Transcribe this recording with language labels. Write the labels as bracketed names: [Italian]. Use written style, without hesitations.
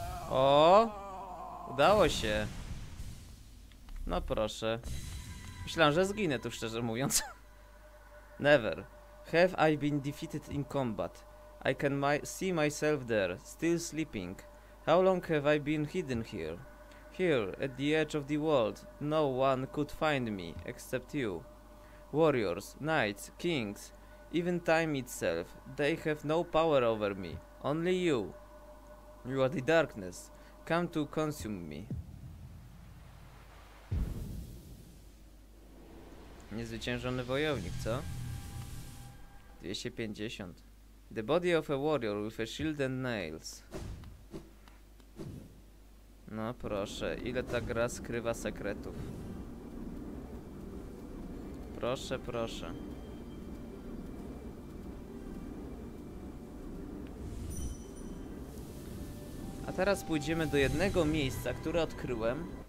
[Polish] O! Udało się. No proszę. Myślałem, że zginę tu, szczerze mówiąc. [English] Never. Have I been defeated in combat? I can see myself there, still sleeping. How long have I been hidden here? Here, at the edge of the world, no one could find me, except you. Warriors, knights, kings, even time itself, they have no power over me, only you. You are the darkness, come to consume me. [Polish] Niezwyciężony wojownik, co? 250. [English] The body of a warrior with a shield and nails. [Polish] No proszę, ile ta gra skrywa sekretów. Proszę, proszę. A teraz pójdziemy do jednego miejsca, które odkryłem.